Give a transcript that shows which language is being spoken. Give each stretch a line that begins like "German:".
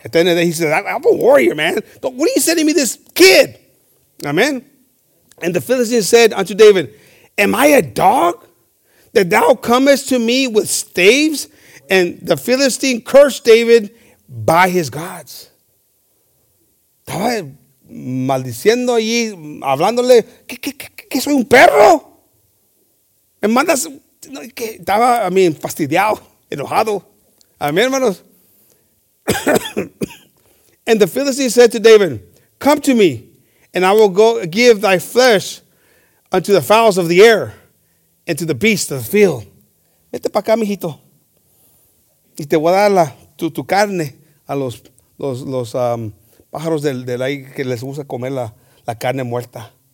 English: At the end of the day, he said, I'm a warrior, man. But what are you sending me this kid? Amen. And the Philistine said unto David, am I a dog that thou comest to me with staves? And the Philistine cursed David by his gods.
Spanish: Estaba maldiciendo allí, hablándole, ¿qué soy un perro? Me mandas, estaba,
English: I mean,
Spanish: fastidiado, enojado. Amén, hermanos.
English: And the Philistine said to David, come to me, and I will go give thy flesh unto the fowls of the air. And to the beast of the field.
Spanish: Vete para acá, mijito. Y te voy a dar tu carne a los pájaros del aire que les gusta comer la carne muerta.